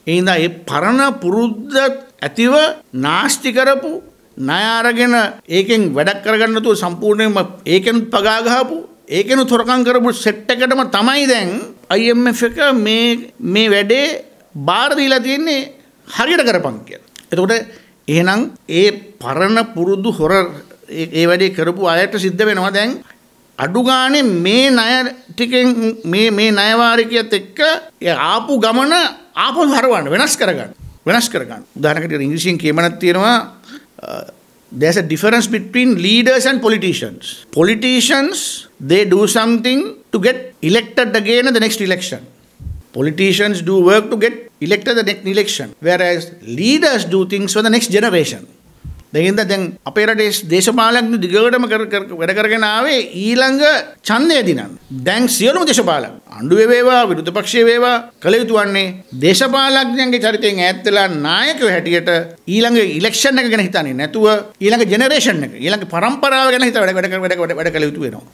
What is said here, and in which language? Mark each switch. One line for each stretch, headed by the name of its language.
Sinhala: ඒ හින්දා ඒ පරණ පුරුද්ද ඇතිව නාස්ති කරපු ණය අරගෙන ඒකෙන් වැඩක් කරගන්න නැතුව සම්පූර්ණයෙන්ම ඒකෙන් පගා ගහපු ඒකෙන් තොරකම් කරපු සෙට් එකටම තමයි දැන් IMF එක මේ වැඩේ බාර දීලා තියෙන්නේ හරියට කරපන් කියලා. එතකොට එහෙනම් ඒ පරණ පුරුදු හොර ඒ වැඩේ කරපු අයට සිද්ධ වෙනවා දැන් අඩුගානේ මේ ණය ටිකෙන් මේ ණය වාරිකියත් එක්ක ආපු ගමන ආපහු හරවන්න වෙනස් කරගන්න.
English: උදාහරණයකට ඉංග්‍රීසියෙන් කියමනක් තියෙනවා there's a difference between leaders and politicians. Politicians, they do something to get elected again at the next election. Politicians do work to get elected at the next election. Whereas leaders do things for the next generation.
Sinhala: දෙගින්ද දැන් අපේ රටේ දේශපාලන දිගටම වැඩ කරගෙන ආවේ ඊළඟ ඡන්දය දිනන්. දැන් සියලුම දේශපාලන අඬුවේ වේවා විරුද්ධ පක්ෂයේ වේවා කල යුතු වන්නේ දේශපාලඥයන්ගේ චරිතයෙන් ඈත් වෙලා නායකයෝ හැටියට ඊළඟ ඉලෙක්ෂන් එක ගැන හිතන්නේ නැතුව ඊළඟ ජෙනරේෂන් එක ඊළඟ පරම්පරාව ගැන හිත වැඩ කළ යුතු වෙනවා.